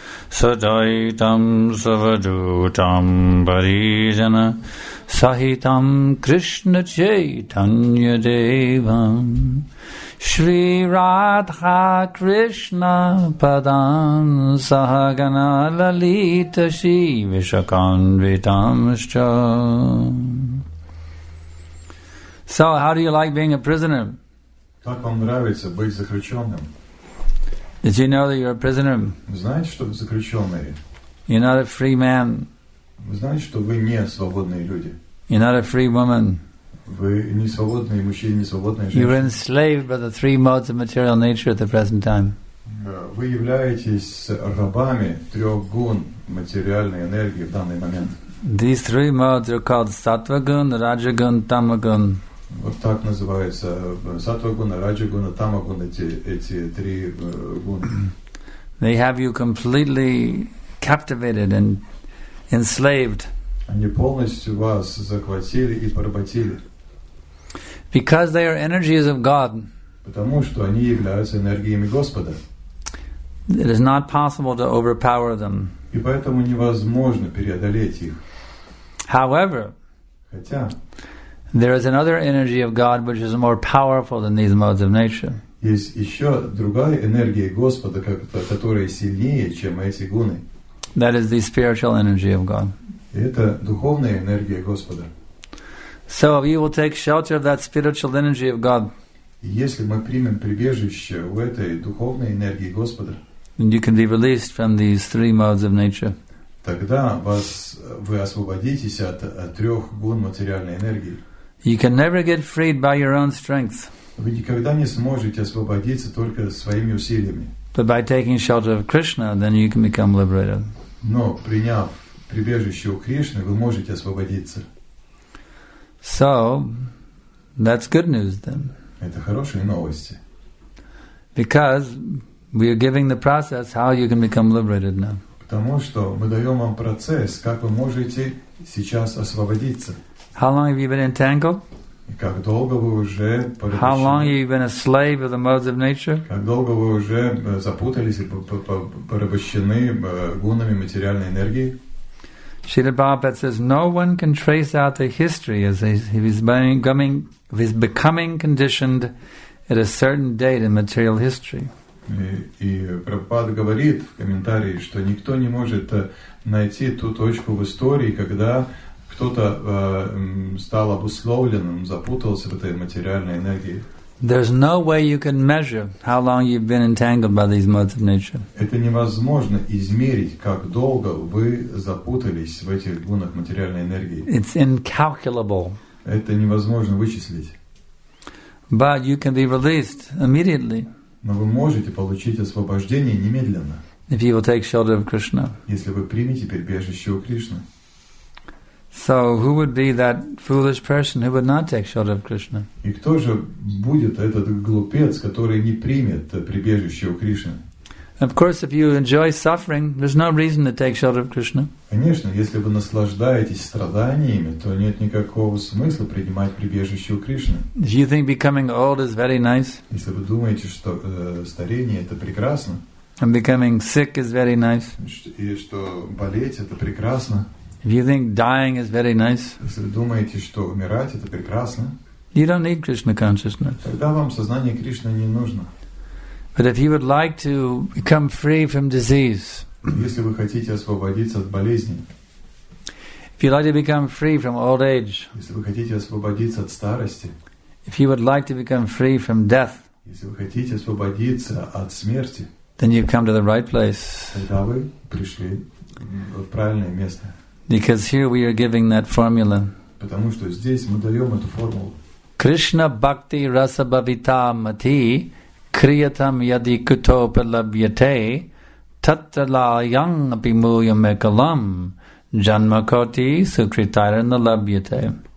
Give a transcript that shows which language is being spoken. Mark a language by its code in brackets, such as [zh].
[sa] Sadaitam Savadutam Parijana Sahitam Krishna Chaitanya Devam Shri Radha Krishna Padam Sahagana Lalita Shri Vishakanvitamscha. [en] So, how do you like being a prisoner? [ru] Как вам нравится быть заключенным? [en] Did you know that you're a prisoner? [ru] Знаете, что вы заключенные? [en] You're not a free man. [ru] Знаете, что вы не свободные люди? [en] You're not a free woman. [ru] Вы не свободные мужчины, не свободные женщины. [en] You're enslaved by the three modes of material nature at the present time. [ru] Вы являетесь рабами трех гун материальной энергии в данный момент. [en] These three modes are called Sattva-gun, Raja-gun, Tama-gun. [ru] Вот так называется Sattva-gun, Raja-gun, Tama-gun, эти три гун. [en] They have you completely captivated and enslaved. [ru] Они полностью вас захватили и поработили. [en] Because they are energies of God. [ru] Потому что они являются энергиями Господа. [en] It is not possible to overpower them. [ru] И поэтому невозможно преодолеть их. [en] However, [ru] хотя, [en] there is another energy of God which is more powerful than these modes of nature. [ru] Есть еще другая энергия Господа, которая сильнее, чем эти гуны. [en] That is the spiritual energy of God. [ru] И это духовная энергия Господа. [en] So if you will take shelter of that spiritual energy of God, [ru] если мы примем прибежище у этой духовной энергии Господа, [en] then you can be released from these three modes of nature. [ru] Тогда вы освободитесь от трех гун материальной энергии. [en] You can never get freed by your own strength. [ru] Вы никогда не сможете освободиться только своими усилиями. [en] But by taking shelter of Krishna, then you can become liberated. [ru] Но приняв прибежище у Кришны, вы можете освободиться. [en] So, that's good news then. [ru] Это хорошие новости. [en] Because we are giving the process how you can become liberated now. [ru] Потому что мы даем вам процесс, как вы можете сейчас освободиться. [en] How long have you been entangled? [ru] Как долго вы уже порабощены? [en] How long have you been a slave of the modes of nature? [ru] Как долго вы уже запутались и порабощены гунами материальной энергии? [en] Srila Prabhupada says, no one can trace out the history as he's becoming conditioned at a certain date in material history. [ru] И Прабхупада говорит в комментарии, что никто не может найти ту точку в истории, когда кто-то стал обусловленным, запутался в этой материальной энергии. [en] There's no way you can measure how long you've been entangled by these modes of nature. [ru] Это невозможно измерить, как долго вы запутались в этих гунах материальной энергии. [en] It's incalculable. [ru] Это невозможно вычислить. [en] But you can be released immediately. [ru] Но вы можете получить освобождение немедленно. [en] If you will take shelter of Krishna. [ru] Если вы примете прибежище у Кришны. [en] So who would be that foolish person who would not take shelter of Krishna? [ru] И кто же будет этот глупец, который не примет прибежище у Кришны? [en] Of course, if you enjoy suffering, there's no reason to take shelter of Krishna. [ru] Конечно, если вы наслаждаетесь страданиями, то нет никакого смысла принимать прибежище у Кришны. [en] If you think becoming old is very nice? [ru] Если вы думаете, что старение это прекрасно. [en] And becoming sick is very nice. [ru] И что болеть это прекрасно. [en] If you think dying is very nice, [ru] если вы думаете, что умирать это прекрасно, [en] you don't need Krishna consciousness. [ru] Тогда вам сознание Кришны не нужно. [en] But if you would like to become free from disease, [ru] если вы хотите освободиться от болезни, [en] If you'd like to become free from old age, [ru] если вы хотите освободиться от старости, [en] if you would like to become free from death, [ru] если вы хотите освободиться от смерти, [en] then you've come to the right place. [ru] Тогда вы пришли в правильное место. [en] Because here we are giving that formula. [ru] Потому что здесь мы даем эту формулу. [sa] Krishna bhakti rasa bhavita mati kriyatam yadi kuto palabhyate tattala yang abhimuyam ekalam janma koti sukritaira nalabhyate.